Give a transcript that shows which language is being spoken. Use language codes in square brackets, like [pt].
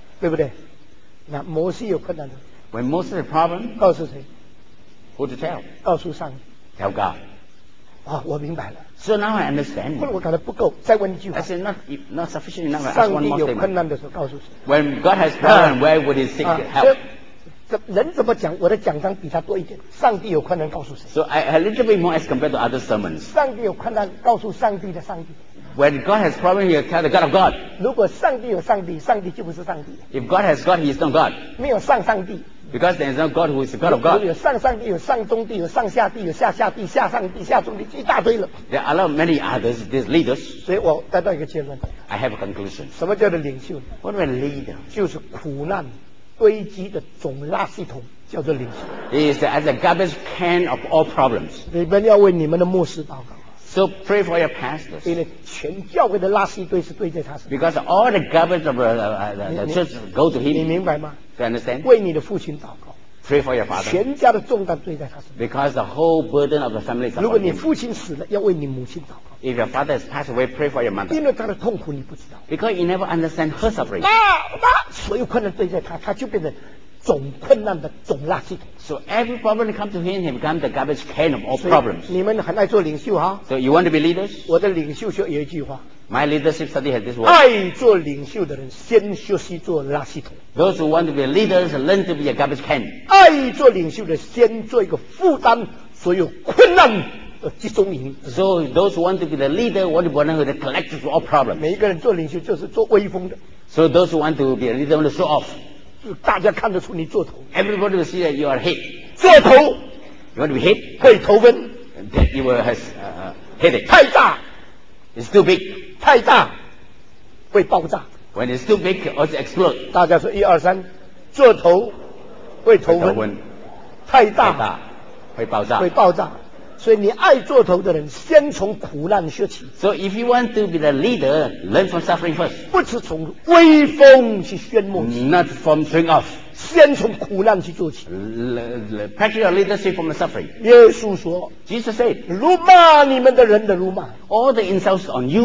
[zh] 对不对？那摩西有困难的。 [en] When Moses has problems. [zh] 告诉谁？ [en] Who to tell? [zh] 告诉上帝。 [en] Tell God. [zh] 啊，我明白了。 [en] So now I understand. [zh] 我感到不够，再问一句话。 [en] I said not sufficient enough. [zh] 上帝有困难的时候告诉谁 [en] ？When God has problem, where would He seek help? [zh] 人怎么讲？我的讲章比他多一点。上帝有困难告诉谁 [en] ？So I a little bit more as compared to other sermons. [zh] 上帝有困难告诉上帝的上帝。 [en] When God has problem, He tell the God of God. [zh] 如果上帝有上帝，上帝就不是上帝。 [en] If God has God, He is not God. [zh] 没有上上帝。 [en] Because there is no God who is the God of God. [zh] 有上上帝，有上中帝，有上下帝，有下下帝，下上帝，下中帝，一大堆了。 [en] There are a lot of many others, these leaders. [zh] 所以我得到一个结论。 [en] I have a conclusion. [zh] 什么叫做领袖 [en] ？What a leader? [zh] 就是苦难。堆积的总垃圾桶叫做领袖。 [en] He is as a garbage can of all problems. [zh] 你们要为你们的牧师祷告。 [en] So pray for your pastors. [zh] 因为全教会的垃圾堆是堆在他身。 [en] Because all the garbage of the church go to him. [zh] 你明白吗 [en] ？You understand? [zh] 为你的父亲祷告。 [en] Pray for your father. [zh] 全家的重担堆在他身上。 [en] Because the whole burden of the family is upon him. [zh] 如果你父亲死了，要为你母亲祷告。 [en] If your father has passed away, pray for your mother. [zh] 因为他的痛苦你不知道。 [en] Because you never understand her suffering. [zh] 妈，所有困难堆在他，他就变成总困难的总垃圾桶。 [en] So every problem comes to him, he becomes the garbage can of all problems. [zh] 你们很爱做领袖哈。 [en] So you want to be leaders? [zh] 我的领袖说有一句话。 [en] My leadership study has this word. [zh] 爱做领袖的人先学习做垃圾桶。 [en] Those who want to be leaders learn to be a garbage can. [zh] 爱做领袖的先做一个负担所有困难的集中营。 [en] So those who want to be the leader want to be one who the collectors of all problems. [zh] 每一个人做领袖就是做威风的。 [en] So those who want to be a leader want to show off. [zh] 就大家看得出你做头。 [en] Everybody will see that you are head. [zh] 做头。 [en] You want to be head? [zh] 会头昏。 [en] That you will have headache. [zh] 太大。 [en] It's too big. [zh] 太大。会爆炸。 [en] When it's too big, it also explodes. [zh] 大家说一二三，做头会头昏，太大会爆炸，会爆炸。所以你爱做头的人，先从苦难学起。 [en] So if you want to be the leader, learn from suffering first. [zh] 不是从威风去炫目。 [en] Not from showing off. [zh] 先从苦难去做起。 [en] Practice your leadership from the suffering. [zh] 耶稣说 [en] ，Jesus said, [zh] 辱骂你们的人的辱骂 [en] ，all the insults on you